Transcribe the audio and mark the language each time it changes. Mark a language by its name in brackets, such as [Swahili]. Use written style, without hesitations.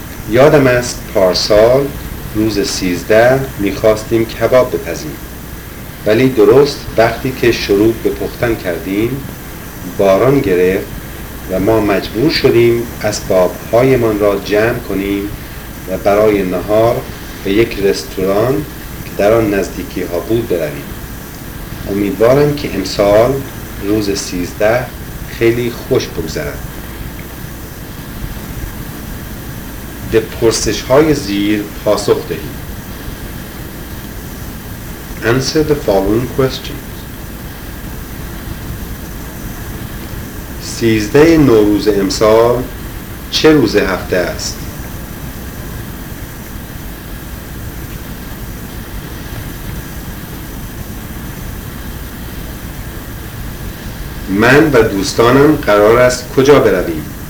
[Persian] یادم است پارسال روز 13 می‌خواستیم کباب بپزیم، ولی درست وقتی که شروع به پختن کردیم باران گرفت و ما مجبور شدیم اسباب‌هایمان را جمع کنیم و برای نهار به یک رستوران که در آن نزدیکی‌ها بود برویم. امیدوارم که امسال روز 13 خیلی خوش بگذرد. به پرسش‌های زیر پاسخ دهید. [English] Answer the following questions. [Persian] 13 نوروز امسال چه روز هفته است؟ من و دوستانم قرار است کجا برویم؟